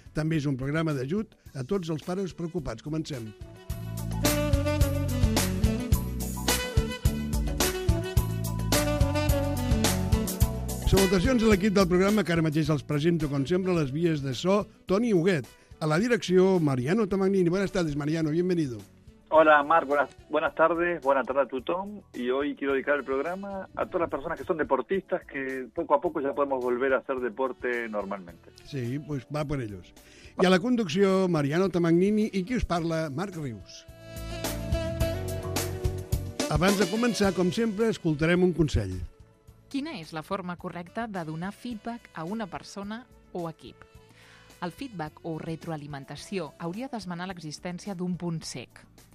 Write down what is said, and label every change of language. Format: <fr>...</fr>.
<ca>També és un programa d'ajut a tots els pares preocupats. Comencem. Salutacions a l'equip del programa que ara mateix els presento, com sempre, les vies de so, Toni Huguet. A la direcció, Mariano Tomagnini.</ca> <es>Buenas tardes, Mariano, bienvenido. Hola, Marc, buenas tardes</es> <ca>a tothom.</ca> <es>Y hoy quiero dedicar el programa a todas las personas que son deportistas, que poco a poco ya podemos volver a hacer deporte normalmente. Sí, pues va por ellos.</es> <ca>Y a la conducció, Mariano Tomagnini, i qui us parla, Marc Rius. Abans de començar, com sempre, escoltarem un consell. Quina és la forma correcta de donar feedback a una persona o equip? El feedback o retroalimentació hauria d'esmenar l'existència d'un punt sec.</ca>